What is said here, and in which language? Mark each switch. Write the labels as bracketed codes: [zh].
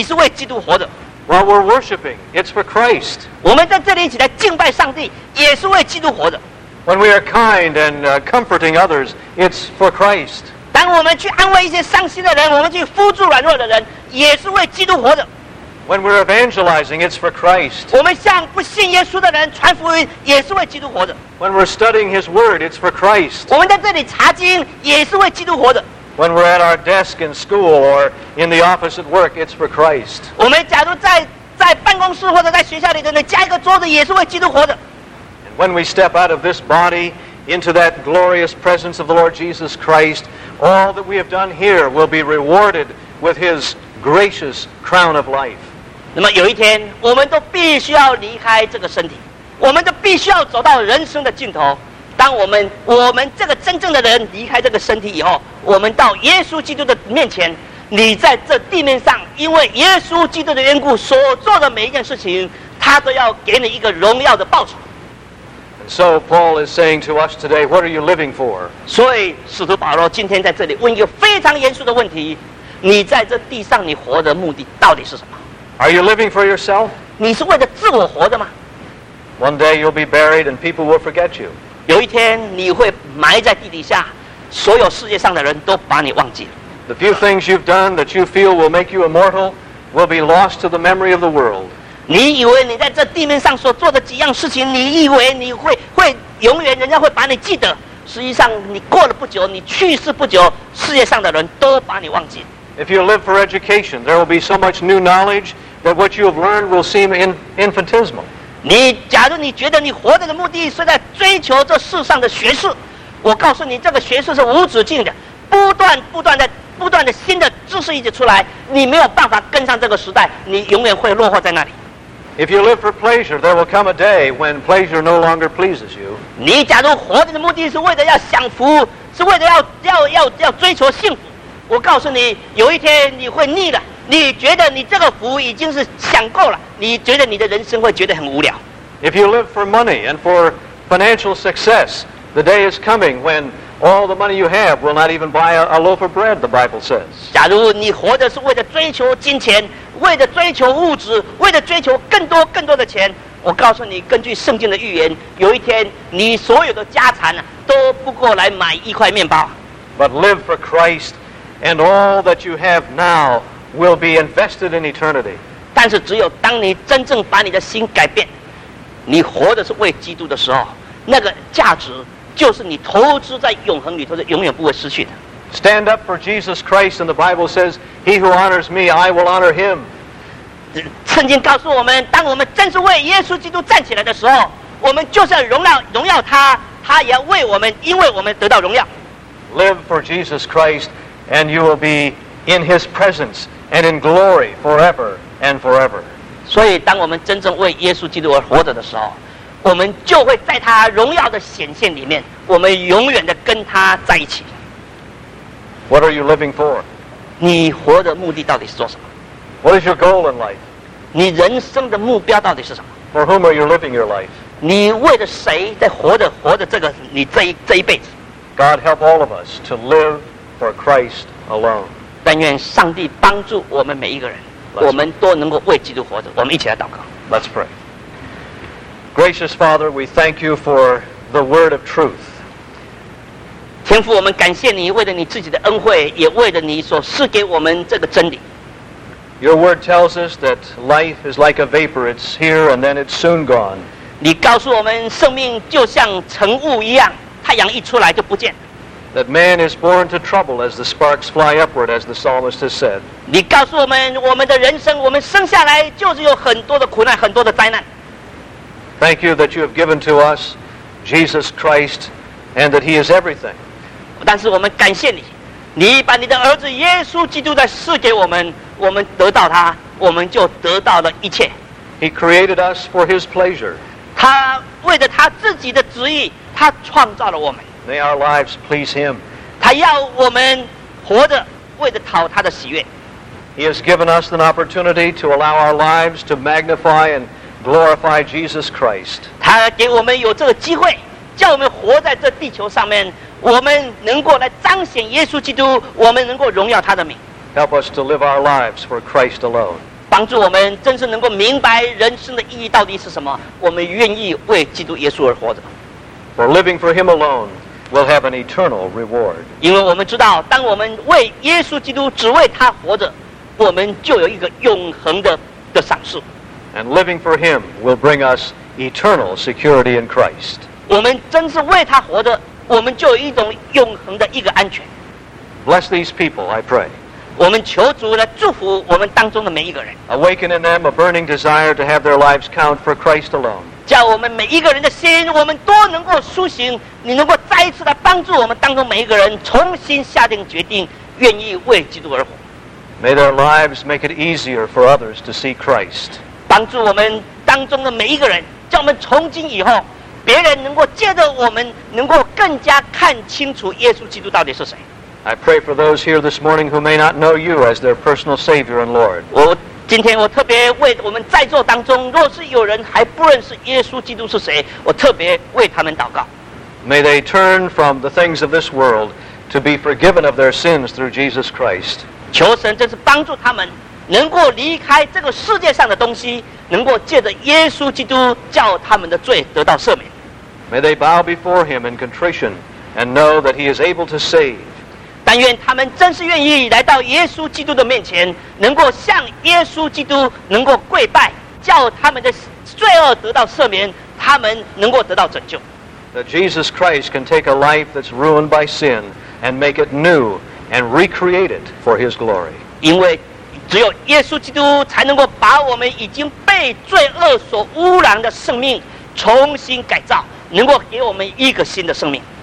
[zh] 当我们在这地面上，在这个地球上，你活着，你生活，你工作，为基督来做，你是为基督活着。 [en] While we're worshiping, it's for Christ. [zh] 我们在这里一起来敬拜上帝，也是为基督活着。 [en] When we are kind and comforting others, it's for Christ. [zh] 当我们去安慰一些伤心的人，我们去扶助软弱的人，也是为基督活着。 [en] When we're evangelizing, it's for Christ. [zh] 我们向不信耶稣的人传福音，也是为基督活着。 [en] When we're studying His Word, it's for Christ. [zh] 我们在这里查经，也是为基督活着。 [en] When we're at our desk in school or in the office at work, it's for Christ. [zh] 我们假如在办公室或者在学校里头呢，加一个桌子也是为基督活的。 [en] And when we step out of this body into that glorious presence of the Lord Jesus Christ, all that we have done here will be rewarded with His gracious crown of life. [zh] 那么有一天，我们都必须要离开这个身体，我们都必须要走到人生的尽头。当我们这个真正的人离开这个身体以后，我们到耶稣基督的面前，你在这地面上因为耶稣基督的缘故所做的每一件事情，他都要给你一个荣耀的报酬。 [en] And so Paul is saying to us today, what are you living for? [zh] 所以使徒保罗今天在这里问一个非常严肃的问题，你在这地上你活的目的到底是什么？ [en] Are you living for yourself? [zh] 你是为了自我活的吗？ [en] One day you'll be buried and people will forget you. [zh] 有一天你会埋在地底下，所有世界上的人都把你忘记了。 [en] The few things you've done that you feel will make you immortal will be lost to the memory of the world. [zh] 你以为你在这地面上所做的几样事情，你以为你会永远人家会把你记得，实际上你过了不久，你去世不久，世界上的人都把你忘记了。 [en] If you live for education, there will be so much new knowledge that what you have learned will seem infinitesimal. [zh] 你假如你觉得你活着的目的是在追求这世上的学术，我告诉你，这个学术是无止境的，不断的新的知识一直出来，你没有办法跟上这个时代，你永远会落后在那里。 [en] If you live for pleasure, there will come a day when pleasure no longer pleases you. [zh] 你假如活着的目的是为了要享福，是为了要追求幸福，我告诉你，有一天你会腻的。你觉得你这个福已经是享够了，你觉得你的人生会觉得很无聊。 [en] If you live for money and for financial success, the day is coming when all the money you have will not even buy a loaf of bread, the Bible says. [zh] 假如你活的是为了追求金钱，为了追求物质，为了追求更多更多的钱，我告诉你，根据圣经的预言，有一天你所有的家产都不够来买一块面包。 [en] But live for Christ and all that you have now. Will be invested in eternity. [zh] 但是只有当你真正把你的心改变，你活的是为基督的时候，那个价值就是你投资在永恒里头的，永远不会失去的。 [en] Stand up for Jesus Christ, and the Bible says, "He who honors me, I will honor him." [zh] 圣经告诉我们，当我们真是为耶稣基督站起来的时候，我们就是要荣耀他，他也要为我们，因为我们得到荣耀。 [en] Live for Jesus Christ, and you will be. In His presence and in glory forever and forever. [zh] 所以，当我们真正为耶稣基督而活着的时候，我们就会在他荣耀的显现里面，我们永远的跟他在一起。 [en] What are you living for? [zh] 你活的目的到底是做什么？ [en] What is your goal in life? [zh] 你人生的目标到底是什么？ [en] For whom are you living your life? [zh] 你为了谁在活着这个你这一辈子？ [en] God help all of us to live for Christ alone. [zh] 但愿上帝帮助我们每一个人，我们都能够为基督活着。我们一起来祷告。 [en] Let's pray. Gracious Father, we thank you for the word of truth. [zh] 天父，我们感谢你，为了你自己的恩惠，也为了你所赐给我们这个真理。 [en] Your word tells us that life is like a vapor; it's here and then it's soon gone. [zh] 你告诉我们，生命就像尘雾一样，太阳一出来就不见了。 [en] That man is born to trouble as the sparks fly upward, as the psalmist has said. [zh] 你告诉我们，我们的人生，我们生下来就是有很多的苦难，很多的灾难。 [en] Thank you that you have given to us Jesus Christ, and that He is everything. [zh] 但是我们感谢你，你把你的儿子耶稣基督的赐给我们，我们得到他，我们就得到了一切。 [en] He created us for His pleasure. [zh] 他为了他自己的旨意，他创造了我们。 [en] May our lives please Him. [zh] 他要我们活着，为了讨他的喜悦。 [en] He has given us an opportunity to allow our lives to magnify and glorify Jesus Christ. [zh] 他给我们有这个机会，叫我们活在这地球上面，我们能够来彰显耶稣基督，我们能够荣耀他的名。 [en] Help us to live our lives for Christ alone. [zh] 帮助我们真是能够明白人生的意义到底是什么，我们愿意为基督耶稣而活着。 [en] For living for Him alone will have an eternal reward. [zh] 因为我们知道，当我们为耶稣基督只为他活着，我们就有一个永恒的赏赐。 [en] And living for Him will bring us eternal security in Christ. [zh] 我们真是为他活着，我们就有一种永恒的一个安全。 [en] Bless these people, I pray. [zh] 我们求主来祝福我们当中的每一个人。 [en] Awaken in them a burning desire to have their lives count for Christ alone. [zh] 叫我们每一个人的心，我们都能够苏醒，你能够再一次的帮助我们当中每一个人重新下定决定，愿意为基督而活。 [en] May their lives make it easier for others to see Christ. [zh] 帮助我们当中的每一个人，叫我们从今以后，别人能够借着我们，能够更加看清楚耶稣基督到底是谁。 [en] I pray for those here this morning who may not know you as their personal Savior and Lord. [zh] 我今天我特别为我们在座当中，若是有人还不认识耶稣基督是谁，我特别为他们祷告。 [en] May they turn from the things of this world to be forgiven of their sins through Jesus Christ. [zh] 求神真是帮助他们能够离开这个世界上的东西，能够借着耶稣基督叫他们的罪得到赦免。 [en] May they bow before Him in contrition and know that He is able to save. [zh] 但愿他们真是愿意来到耶稣基督的面前，能够向耶稣基督能够跪拜，叫他们的罪恶得到赦免，他们能够得到拯救。 [en] That Jesus Christ can take a life that's ruined by sin and make it new and recreate it for His glory. [zh] 因为只有耶稣基督才能够把我们已经被罪恶所污染的生命重新改造，能够给我们一个新的生命。